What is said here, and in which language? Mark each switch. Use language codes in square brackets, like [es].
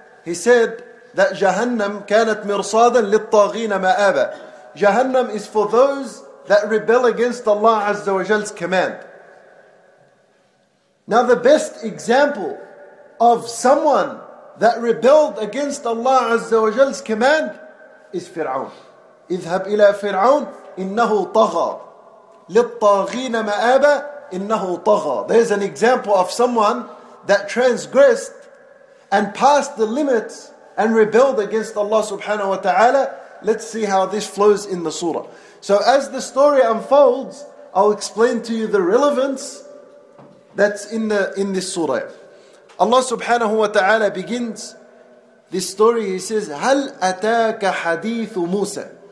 [en] He said that Jahannam [ar] كَانَتْ مِرْصَادًا لِلطَّاغِينَ مَآبَ. [en] Jahannam is for those that rebel against Allah Azza wa Jal's command. Now the best example of someone that rebelled against Allah Azza wa Jal's command is Fir'aun. [ar] اذهب إلى فرعون إنه طغى للطاغين مآبا إنه طغى. [en] There's an example of someone that transgressed and passed the limits and rebelled against Allah subhanahu wa ta'ala. Let's see how this flows in the surah. So as the story unfolds, I'll explain to you the relevance that's in this surah. Allah subhanahu wa ta'ala begins this story. He says, [ar] هل أتاك حديث موسى.